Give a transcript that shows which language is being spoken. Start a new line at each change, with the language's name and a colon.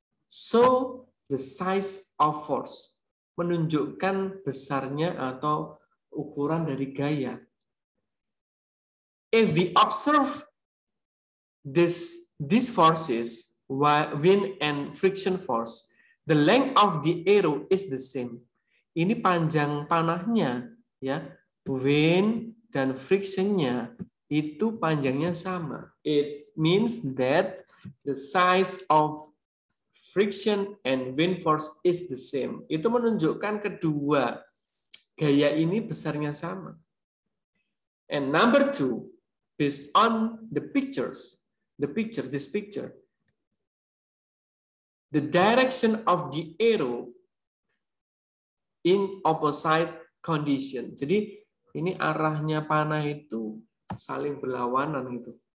English: So the size of force
Indonesian: menunjukkan besarnya atau ukuran dari gaya.
English: If we observe these forces, wind and friction force, the length of the arrow is the same.
Indonesian: Ini panjang panahnya, ya, wind dan frictionnya itu panjangnya sama.
English: It means that the size of friction and wind force is the same.
Indonesian: Itu menunjukkan kedua gaya ini besarnya sama.
English: And number two, based on this picture, the direction of the arrow in opposite condition.
Indonesian: Jadi ini arahnya panah itu saling berlawanan gitu.